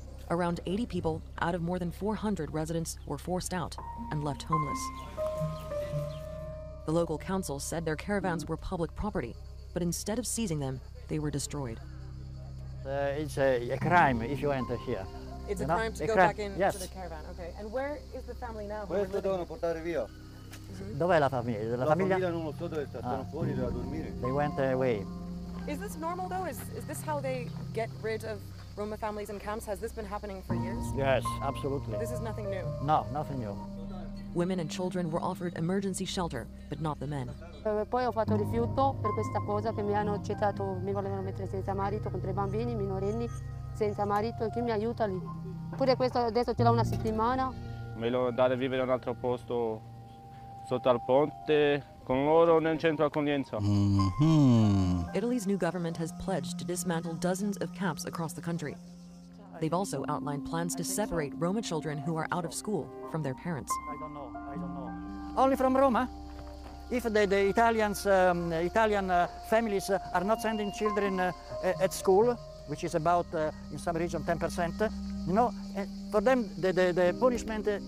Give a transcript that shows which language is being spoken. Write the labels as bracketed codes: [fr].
[en] Around 80 people out of more than 400 residents were forced out and left homeless. The local council said their caravans were public property, but instead of seizing them, they were destroyed. It's a crime if you enter here. It's a crime to go back into the caravan. Okay. And where is the family now? [it] Questo devono portare via. Dov'è la famiglia? La famiglia non lo so dove sta. Sono fuori, devono dormire. [en] They went away. Is this normal though? Is this how they get rid of Roma families in camps? Has this been happening for years? Yes, absolutely. This is nothing new. No, nothing new. Women and children were offered emergency shelter, but not the men. [it] Poi ho fatto rifiuto per questa cosa che mi hanno accettato, mi volevano mettere senza marito con tre bambini minorenni, senza marito, e chi mi aiuta lì? Pure questo adesso ce l'ho una settimana. Mi devo andare a vivere in un altro posto, sotto al ponte, con loro nel centro accoglienza. [en] Italy's new government has pledged to dismantle dozens of camps across the country. They've also outlined plans to separate Roma children who are out of school from their parents. I don't know. Only from Roma? If the Italians, Italian families are not sending children at school, which is about, in some region, 10%, you know, for them, the punishment is...